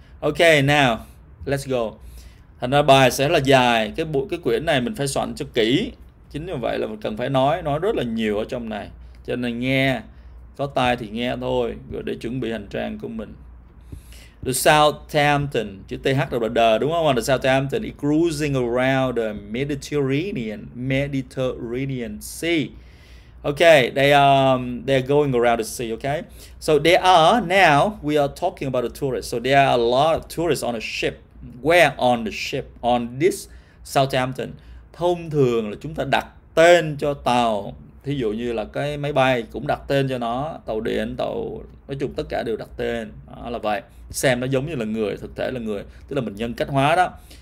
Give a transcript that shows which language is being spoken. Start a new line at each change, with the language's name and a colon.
English: Ok, now let's go.
Vietnamese: Thành ra bài sẽ là dài, cái quyển này mình phải soạn cho kỹ. Chính như vậy là mình cần phải nói rất là nhiều ở trong này, cho nên nghe có tai thì nghe thôi, rồi để chuẩn bị hành trang của mình. The Southampton, chữ TH đầu là đờ đúng không?
English: The Southampton is cruising around the Mediterranean Sea. Okay, they're going around the sea. Okay, so they are now we are talking about the tourists. So there are a lot of tourists on a ship. Where on the ship? On this Southampton.
Vietnamese: Thông thường là chúng ta đặt tên cho tàu thí dụ như là cái máy bay cũng đặt tên cho nó, tàu điện, tàu, nói chung tất cả đều đặt tên, đó là vậy. Xem nó giống như là người, thực thể là người, tức là mình nhân cách hóa đó.